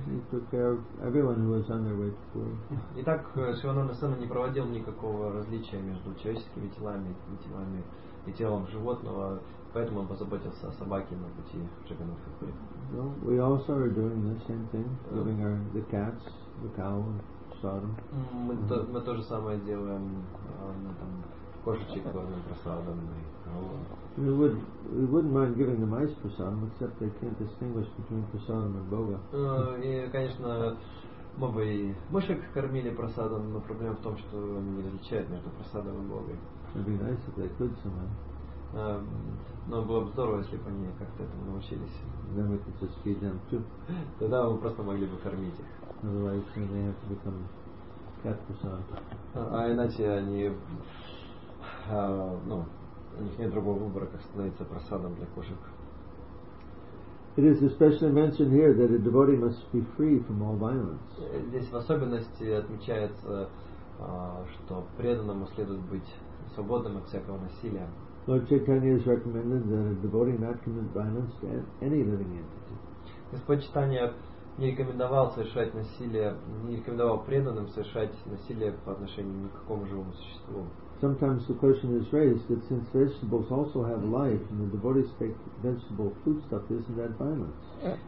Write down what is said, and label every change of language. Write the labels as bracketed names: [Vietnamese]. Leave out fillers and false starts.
[English] He took care of everyone who was on their way to Puri. [Russian] Итак, Шивананда Сен не проводил никакого различия между человеческими телами и телом животного, поэтому он позаботился о собаке на пути в Джаганнатх Пури. [English] So we also are doing the same thing, giving the cats, the cow, and prasadam. [Russian] Мы то же самое делаем кошечек, кормим прасадам. [English] We wouldn't mind giving them ice prasadam, except they can't distinguish between prasadam and boga. [Russian] И, конечно, мы бы и мышек кормили прасадам, но проблема в том, что они не различают между прасадом и богой. [English] It'd be nice if they could somehow. [Russian] Но было бы здорово, если бы они как-то этому научились. [English] Then we could just feed them too. [Russian] Тогда мы просто могли бы кормить их. [English] Otherwise, they have to become cat prasadam. [Russian] А иначе они, ну. У них нет другого выбора, как становиться просадом для кошек. [English] It is especially mentioned here that a devotee must be free from all violence. [Russian] Здесь в особенности отмечается, что преданному следует быть свободным от всякого насилия. [English] Lord Chaitanya has recommended that a devotee not commit violence to any living entity. [Russian] Господь Чайтанья не рекомендовал совершать насилие, не рекомендовал преданным совершать насилие по отношению ни к какому живому существу. [English] Sometimes the question is raised that since vegetables also have life and the devotees take vegetable foodstuff, isn't that violence?